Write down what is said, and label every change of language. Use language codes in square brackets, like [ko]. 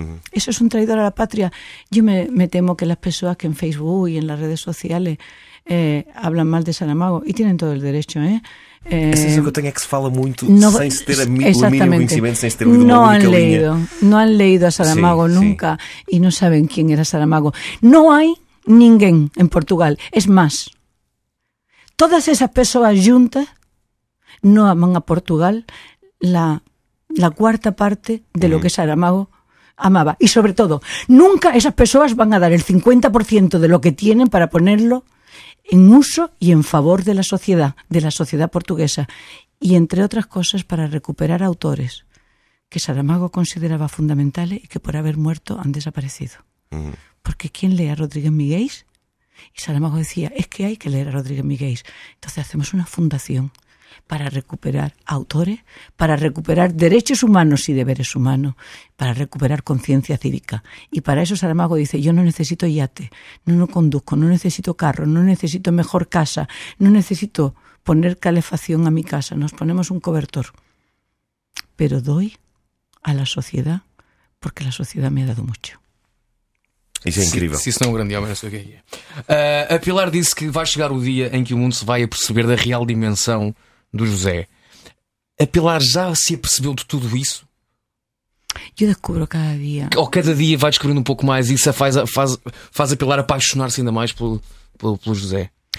[es] ¿Eso es un traidor a la patria? Yo me temo que las personas que en Facebook y en las redes sociales hablan mal de Saramago, y tienen todo el derecho, Es eso que tengo, que se fala mucho, no, sin tener el mínimo conocimiento, sin tener una única leído línea. No han leído a Saramago nunca. Y no saben quién era Saramago. No hay ninguém en Portugal. Es más, todas esas personas juntas no aman a Portugal la cuarta parte de lo que es Saramago amaba. Y sobre todo, nunca esas personas van a dar el 50% de lo que tienen para ponerlo en uso y en favor de la sociedad portuguesa. Y entre otras cosas, para recuperar autores que Saramago consideraba fundamentales y que por haber muerto han desaparecido. Porque ¿quién lee a Rodríguez Migueis? Y Saramago decía, es que hay que leer a Rodríguez Migueis. Entonces hacemos una fundación para recuperar autores, para recuperar derechos humanos y deberes humanos, para recuperar conciencia cívica. Y para eso Saramago dice, yo no necesito yate, no conduzco, no necesito carro, no necesito mejor casa, no necesito poner calefacción a mi casa, nos ponemos un cobertor. Pero doy a la sociedad, porque la sociedad me ha dado mucho. [pt] Isso é incrível. Se isso não é um grande homem, não sei o que é. A Pilar disse que vai chegar o dia em que o mundo se vai aperceber da real dimensão do José. A Pilar já se apercebeu de tudo isso? Eu descubro cada dia. Ou cada dia vai descobrindo um pouco mais. Isso faz a Pilar apaixonar-se ainda mais pelo José.